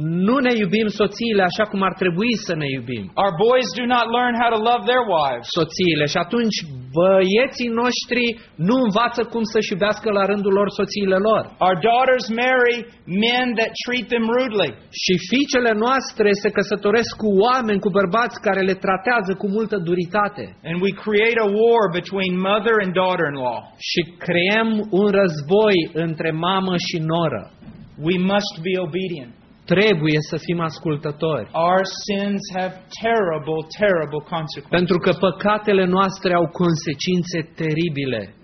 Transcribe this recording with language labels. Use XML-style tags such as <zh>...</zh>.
<ro>Nu ne iubim soțiile așa cum ar trebui să ne iubim.</ro> <en>Our boys do not learn how to love their wives.</en> <ro>Soțiile, și atunci băieții noștri nu învață cum să-și iubească la rândul lor soțiile lor.</ro> <en>Our daughters marry men that treat them rudely.</en> <ro>Și fiicele noastre se căsătoresc cu oameni, cu bărbați care le tratează cu multă duritate.</ro> <en>And we create a war between mother and daughter-in-law.</en> <ro>Și creăm un război între mamă și noră.</ro> <en>We must be obedient.</en> <ro>Trebuie să fim ascultători.</ro> <en>Our sins have terrible, terrible consequences.</en> <ro>Pentru că păcatele noastre au consecințe teribile.</ro>